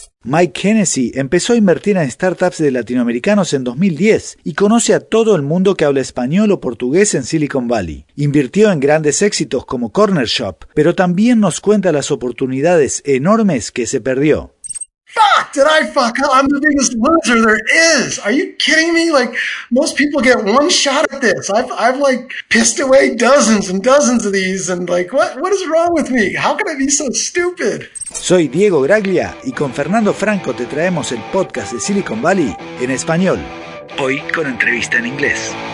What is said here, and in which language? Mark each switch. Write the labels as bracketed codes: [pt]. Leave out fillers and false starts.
[es] Mike Hennessy empezó a invertir en startups de latinoamericanos en 2010 y conoce a todo el mundo que habla español o portugués en Silicon Valley. Invirtió en grandes éxitos como Corner Shop, pero también nos cuenta las oportunidades enormes que se perdió. [en] Fuck, did I fuck up? I'm the biggest loser there is. Are you kidding me? Like, most people get one shot at this. I've like pissed away dozens and dozens of these and like, what is wrong with me? How can I be so stupid? [es] Soy Diego Graglia y con Fernando Franco te traemos el podcast de Silicon Valley en español. Hoy con entrevista en inglés.